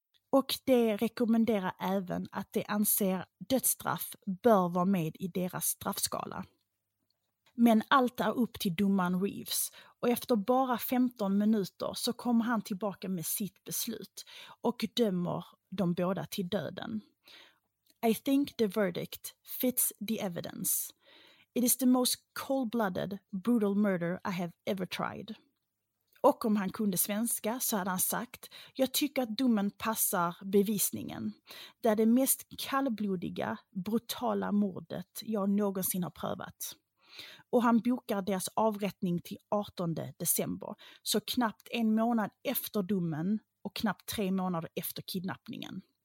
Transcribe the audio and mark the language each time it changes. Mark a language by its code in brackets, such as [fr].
[sv] Och de rekommenderar även att de anser dödsstraff bör vara med i deras straffskala. Men allt är upp till domaren Reeves och efter bara 15 minuter så kommer han tillbaka med sitt beslut och dömer de båda till döden. [en] "I think the verdict fits the evidence. It is the most cold-blooded, brutal murder I have ever tried." [sv] Och om han kunde svenska så hade han sagt: "Jag tycker att domen passar bevisningen. Det är det mest kallblodiga, brutala mordet jag någonsin har prövat." Och han bokar deras avrättning till 18 december, så knappt en månad efter domen och knappt 3 månader efter kidnappningen.